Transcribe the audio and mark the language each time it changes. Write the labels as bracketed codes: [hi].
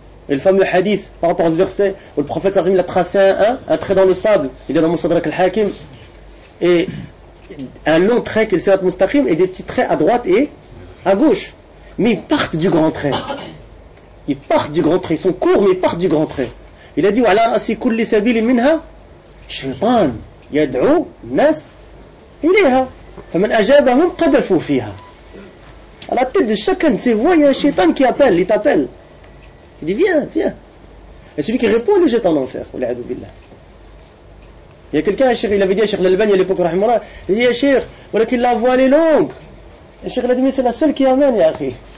[ar] الفم الحديث [fr] par rapport à ce verset où le prophète Sarzim l'a tracé un trait dans le sable, il est dans Moussadrak al-Hakim, et un long trait qui est le sirat mustaqim, et des petits traits à droite et à gauche, mais ils partent du grand trait, ils sont courts, mais ils partent du grand trait. Il a dit [ar] وعلى رأس كل سبيل منها شيطان يدعو الناس إليها فمن أجابهم قذفوا فيها. [fr] À la tête de chacun de ces voies, il y a un shaitan qui appelle, il t'appelle. Il dit viens. Et celui qui répond, le jette en enfer. Il y a quelqu'un, un cheikh, il avait dit à Cheikh l'Albani à l'époque, il dit Cheikh, voilà qu'il la voie elle est longue. Et Cheikh l'a dit, mais c'est la seule qui amène, ya akhi.